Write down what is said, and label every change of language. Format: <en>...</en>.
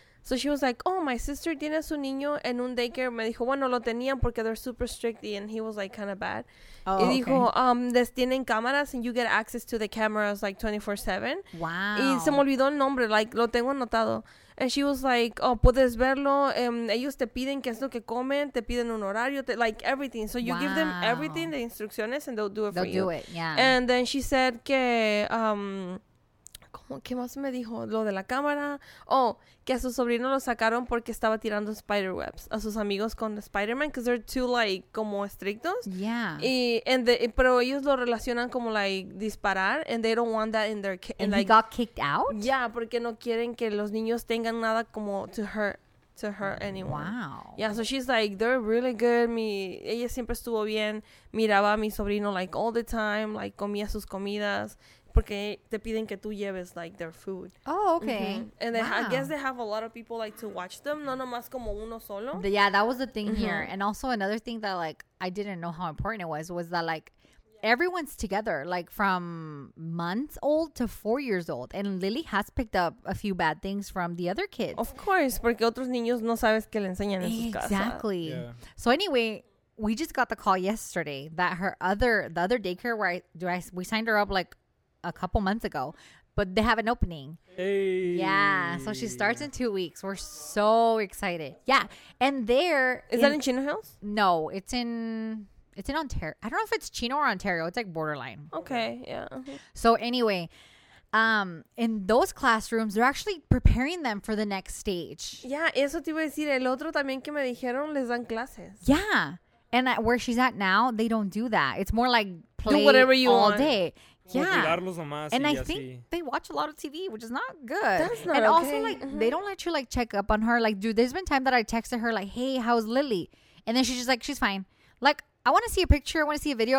<en>So she was like, oh, my sister</en> <es>tiene a su niño en un daycare. Me dijo, bueno, lo tenían porque</es> <en>they're super strict and he was like kind of bad. Oh, y dijo, okay.</en> <es>Les tienen cámaras</es> <en>and you get access to the cameras like 24/7. Wow.</en> <es>Y se me olvidó el nombre, like lo tengo anotado.</es> <en>And she was like, oh,</en> <es>puedes verlo. Ellos te piden qué es lo que comen, te piden un horario, like everything.</es> <en>So you give them everything, the instructions, and they'll do it they'll for do you. They'll do it, yeah. And then she said</en> <es>que, ¿cómo, qué más me dijo? Lo de la cámara. Oh, que a su sobrino lo sacaron porque estaba tirando spider webs a sus amigos con Spider-Man,</es> <en>because they're too,</en> <es>like, como estrictos.</es> <en>Yeah. Y, and the,</en> <es>pero ellos lo relacionan como,</es> <en>like,</en> <es>disparar,</es> <en>and they don't want that in their... And like, he got kicked out?</en> <es>Yeah, porque no quieren que los niños tengan nada como</es> <en>to hurt anyone. Wow. Yeah, so she's like, they're really good.</en> <es>Ella siempre estuvo bien. Miraba a mi sobrino, like,</es> <en>all the time.</en> <es>Like, comía sus comidas. Porque te piden que tú lleves, like,</es> <en>their food. Oh, okay. Mm-hmm. And I guess they have a lot of people, like, to watch them.</en> <es>No nomás como uno solo.</es> <en>Yeah, that was the thing mm-hmm. here. And also another thing that, like, I didn't know how important it was that, like, everyone's together, like, from months old to 4 years old. And Lily has picked up a few bad things from the other kids.</en> <es>Of course, porque otros niños no sabes que le enseñan en sus casas.</es> <en>Exactly. Yeah. So anyway, we just got the call yesterday that the other daycare where we signed her up, like, a couple months ago, but they have an opening. Hey. Yeah, so she starts in 2 weeks. We're so excited. Yeah, and there is that in Chino Hills? No, it's in Ontario. I don't know if it's Chino or Ontario. It's like borderline. Okay, yeah. So anyway, in those classrooms, they're actually preparing them for the next stage.</en> <es>Yeah, eso te iba a decir. El otro también que me dijeron les dan clases.</es> <en>Yeah, and at where she's at now, they don't do that. It's more like play do whatever you all want. Day. Yeah, and I think they watch a lot of TV, which is not good. That's not and also, like, mm-hmm. they don't let you, like, check up on her. Like, dude, there's been time that I texted her, like, hey, how's Lily? And then she's just like, she's fine. Like, I want to see a picture. I want to see a video.</en>